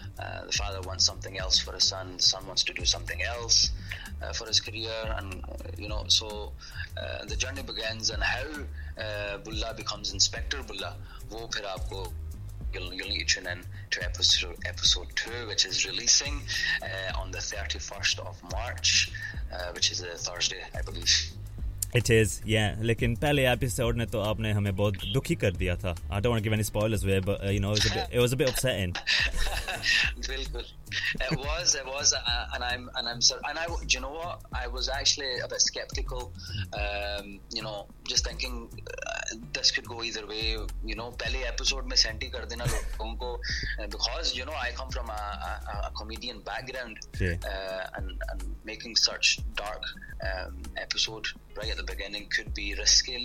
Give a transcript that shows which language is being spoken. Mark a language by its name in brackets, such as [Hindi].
[English] The father wants something else for his son, the son wants to do something else for his career, and you know, so the journey begins, and how Bulla becomes Inspector Bulla, [Urdu] wo phir aapko, [English] you'll need to tune in to episode 2, which is releasing on the 31st of March, which is a Thursday, I believe. It is, yeah. [Urdu] لیکن پہلے episode نے تو آپنے ہمے بہت دکھی کر دیا تھا. [English] I don't want to give any spoilers away, but you know, it was a bit upsetting. [Urdu] Bilkul. [English] It was, and I, do you know what? I was actually a bit skeptical, you know, just thinking this could go either way. You know, [Urdu] pehle episode mein senti kar dena logonko, [English] because you know, I come from a comedian background, and making such dark episode right at the beginning could be risky.